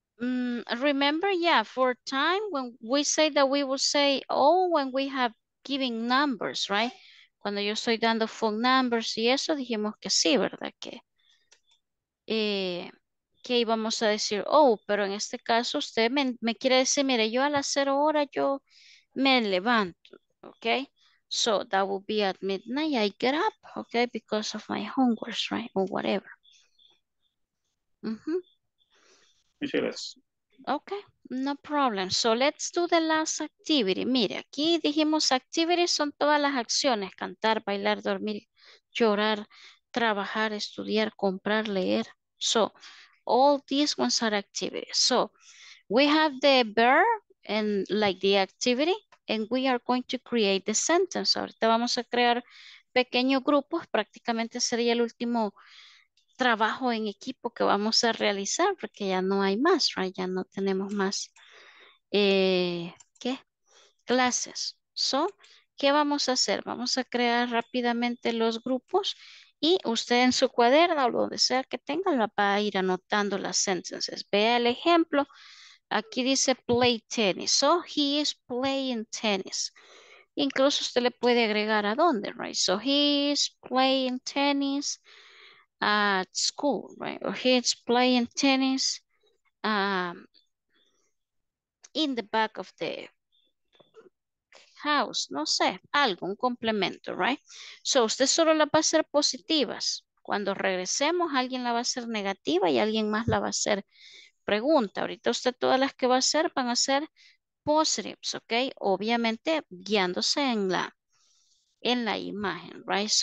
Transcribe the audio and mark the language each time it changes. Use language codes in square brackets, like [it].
[en] Remember, yeah, for time when we say that we will say oh when we have giving numbers, right? [es] Cuando yo estoy dando phone numbers y eso, dijimos que sí, ¿verdad? Que íbamos a decir, oh, pero en este caso usted me quiere decir, mire, yo a las 0 horas yo me levanto, ¿ok? [en] So that will be at midnight, I get up, ¿ok? Because of my homework, right? Or whatever. Mm-hmm. Ok, no problem. So let's do the last activity. [es] Mire, aquí dijimos activities son todas las acciones. Cantar, bailar, dormir, llorar, trabajar, estudiar, comprar, leer. [en] So, all these ones are activities. So, we have the verb and like the activity and we are going to create the sentence. [es] Ahorita vamos a crear pequeños grupos. Prácticamente sería el último trabajo en equipo que vamos a realizar porque ya no hay más, right? Ya no tenemos más ¿qué? Clases. So, ¿qué vamos a hacer? Vamos a crear rápidamente los grupos y usted en su cuaderno o donde sea que tenga la va a ir anotando las sentences. Vea el ejemplo. Aquí dice [en] play tennis. So, he is playing tennis. [es] Incluso usted le puede agregar a dónde, right? [en] So, he is playing tennis at school, right? Or he's playing tennis in the back of the house. [es] No sé, algo, un complemento, right? So, usted solo la va a hacer positivas. Cuando regresemos, alguien la va a hacer negativa y alguien más la va a hacer pregunta. Ahorita usted todas las que va a hacer van a ser positives, ¿ok? Obviamente, guiándose en la imagen, right?